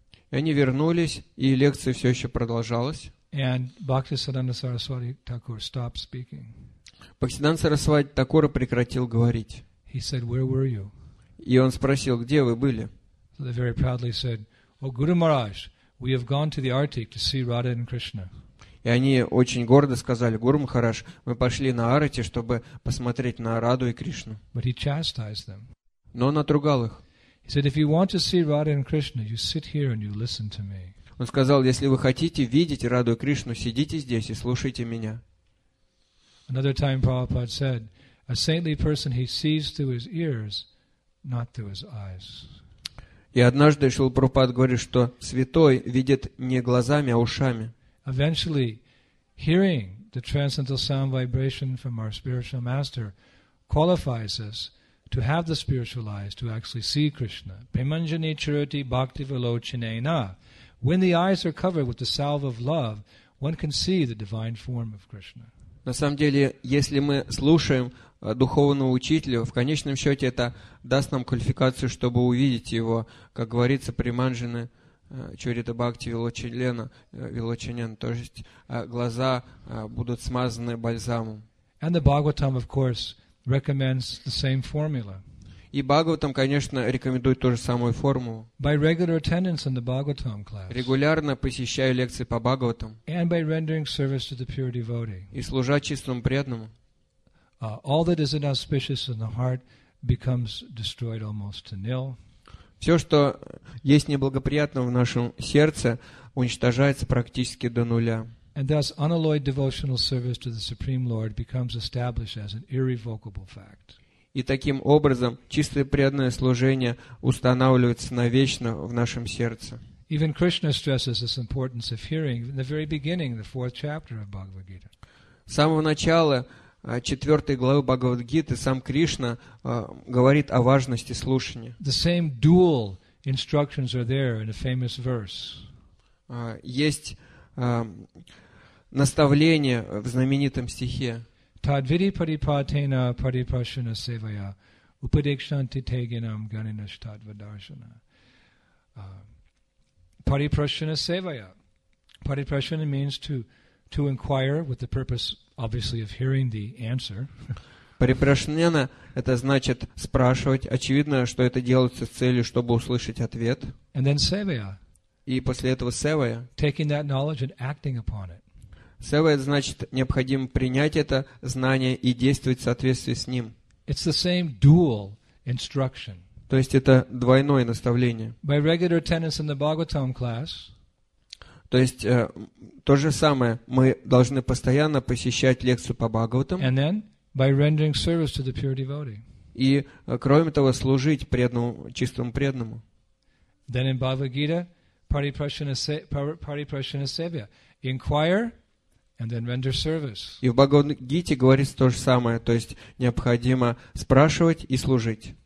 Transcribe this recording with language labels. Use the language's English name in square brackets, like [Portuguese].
[Russian] И они вернулись, и лекция все еще продолжалась. [English] And Bhaktisiddhanta Saraswati Thakur stopped speaking. [Russian] Бхактисиддханта Сарасвати Такура прекратил говорить. [English] He said, "Where were you?" [Russian] И он спросил, где вы были? [English] So they very proudly said, "Oh, Guru Maharaj, we have gone to the Arctic to see Radha and Krishna." [Russian] И они очень гордо сказали, Гуру Махарадж, мы пошли на Арати, чтобы посмотреть на Раду и Кришну. [English] But he chastised them. [Russian] Но он отругал их. [English] He said, "If you want to see Radha and Krishna, you sit here and you listen to me." [Russian] Он сказал, если вы хотите видеть Раду и Кришну, сидите здесь и слушайте меня. [English] Another time Prabhupada said, a saintly person he sees through his ears, not through his eyes. [Russian] И однажды Шрила Прабхупада говорит, что святой видит не глазами, а ушами. [English] Eventually, hearing the transcendental sound vibration from our spiritual master qualifies us to have the spiritual eyes to actually see Krishna. [Sanskrit] Premanjani Charati Bhakti Valochinena. [English] When the eyes are covered with the salve of love, one can see the divine form of Krishna. [Russian] На самом деле, если мы слушаем духовного учителя, в конечном счете это даст нам квалификацию, чтобы увидеть его, как говорится, [Sanskrit] приманжены чурита бхакти вилоченена, вилоченен, [Russian] то есть глаза будут смазаны бальзамом. [English] And the Bhagavatam, of course, recommends the same formula. [Russian] И Бхагаватам, конечно, рекомендует ту же самую формулу. [English] By regular attendance in the Bhagavatam class. [Russian] Регулярно посещаю лекции по Бхагаватам. [English] And by rendering service to the pure devotee. [Russian] И служа чистому преданному. [English] All that is inauspicious in the heart becomes destroyed almost to nil. [Russian] Все, что есть неблагоприятно в нашем сердце, уничтожается практически до нуля. [English] And thus, unalloyed devotional service to the Supreme Lord becomes established as an irrevocable fact. [Russian] И таким образом чистое преданное служение устанавливается навечно в нашем сердце. [English] Even Krishna stresses this importance of hearing in the very beginning, the fourth chapter of Bhagavad Gita. [Russian] С самого начала четвертой главы Бхагавад Гиты сам Кришна говорит о важности слушания. [English] The same dual instructions are there in a famous verse. [Russian] Есть наставление в знаменитом стихе. [Sanskrit] Tadvidi paripatena pariprashana sevaya upadekshanti teginam ganinashtadvadarshana. Pariprashana sevaya. [English] Pariprashana means to inquire with the purpose, obviously, of hearing the answer. [Russian] Pariprashana – это значит спрашивать. Очевидно, что это делается с целью, чтобы услышать ответ. [English] And then sevaya. [Russian] И после этого sevaya. [English] Taking that knowledge and acting upon it. [Russian] Севая – значит, необходимо принять это знание и действовать в соответствии с ним. [English] It's the same dual instruction. [Russian] То есть, это двойное наставление. [English] By regular attendance in the Bhagavatam class, [Russian] то есть, то же самое, мы должны постоянно посещать лекцию по Бхагаватам. [English] And then, by rendering service to the pure devotee. [Russian] И, кроме того, служить преданному, чистому преданному. [English] Then in Bhagavad Gita, [Sanskrit] Pariprashana Sevaya. [English] Inquire. And then render service. [Russian] И в Бхагавад-гите говорится то же самое, то есть необходимо спрашивать и служить.